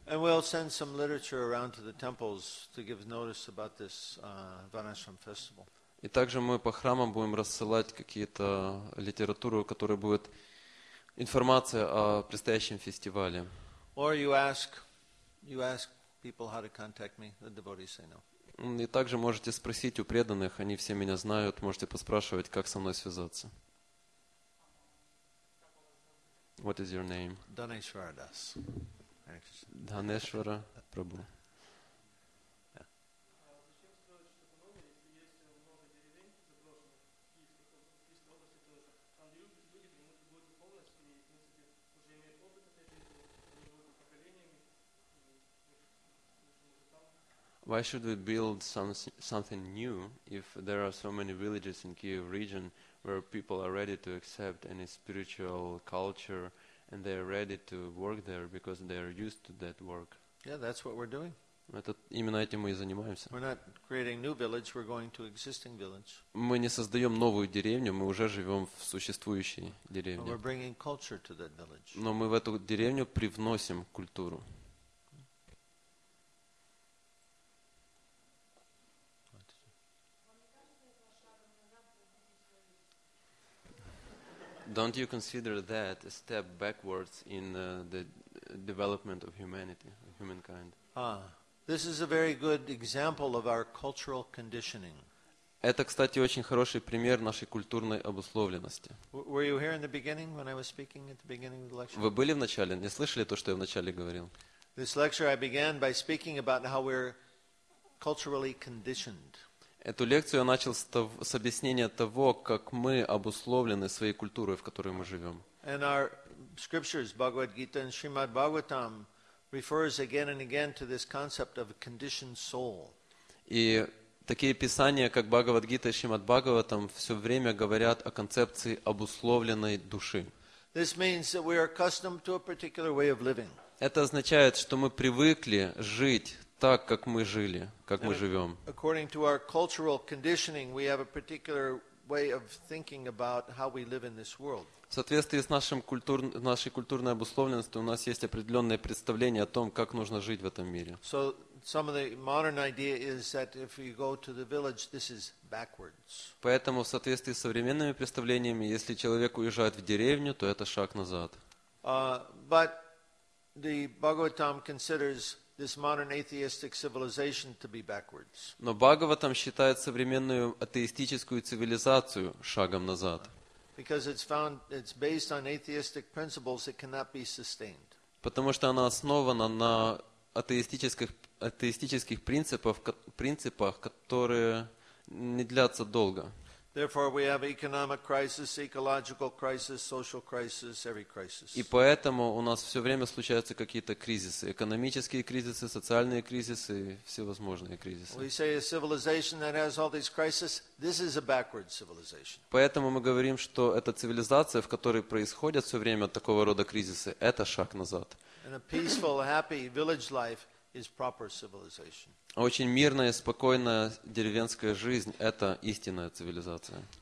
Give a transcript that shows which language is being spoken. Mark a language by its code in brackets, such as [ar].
[en] And we'll send some literature around to the temples to give notice about this Varnashram festival. [ru] И также мы по храмам будем рассылать какие-то литературу, которая будет информация о предстоящем фестивале. [en] Or you ask people how to contact me, the devotees say no. [ru] И также можете спросить у преданных, они все меня знают, можете поспрашивать, как со мной связаться. [en] What is your name? Dhaneshwara Das. Dhaneshwara Prabhu. Why should we build something new if there are so many villages in Kyiv region where people are ready to accept any spiritual culture and they are ready to work there because they are used to that work? Yeah, that's what we're doing. [ru] Это именно этим мы и занимаемся. [en] We're not creating new village, we're going to existing village. [ru] Мы не создаем новую деревню, мы уже живем в существующей деревне. [en] But we're bringing culture to that village. [ru] Но мы в эту деревню привносим культуру. [en] Don't you consider that a step backwards in the development of humanity, humankind? This is a very good example of our cultural conditioning. [ru] Это, кстати, очень хороший пример нашей культурной обусловленности. [en] Were you here in the beginning when I was speaking at the beginning of the lecture? [ru] Вы были в начале? Не слышали то, что я в начале говорил? [en] This lecture I began by speaking about how we're culturally conditioned. [ru] Эту лекцию я начал с объяснения того, как мы обусловлены своей культурой, в которой мы живем. [en] And our scriptures, Bhagavad Gita and Srimad Bhagavatam, refers again and again to this concept of a conditioned soul. [ru] И такие писания, как Бхагавад Гита и Шримад Бхагаватам, все время говорят о концепции обусловленной души. [en] This means that we are accustomed to a particular way of living. [ru] Это означает, что мы привыкли жить так, как мы жили, как мы живем. [en] According to our cultural conditioning, we have a particular way of thinking about how we live in this world. [ru] В соответствии с нашей культурной обусловленностью, у нас есть определенное представление о том, как нужно жить в этом мире. [en] So some of the modern idea is that if you go to the village, this is backwards. [ru] Поэтому в соответствии с современными представлениями, если человек уезжает в деревню, то это шаг назад. [en] But the Bhagavatam considers this modern atheistic civilization to be backwards. [ru] Но Бхагаватам считает современную атеистическую цивилизацию шагом назад. [en] Because it's based on atheistic principles that cannot be sustained. [ru] Потому что она основана на атеистических принципах, которые не длятся долго. [en] Therefore we have economic crisis, ecological crisis, social crisis, every crisis. [ru] И поэтому у нас всё время случаются какие-то кризисы, экономические кризисы, социальные кризисы, всевозможные кризисы. [en] We say a civilization that has all these crises, this is a backward civilization. [ru] Поэтому мы говорим, что эта цивилизация, в которой происходят всё время такого рода кризисы, это шаг назад. [en] And a peaceful, happy village life is proper civilization. [ru] Очень мирная, спокойная деревенская жизнь – это истинная цивилизация.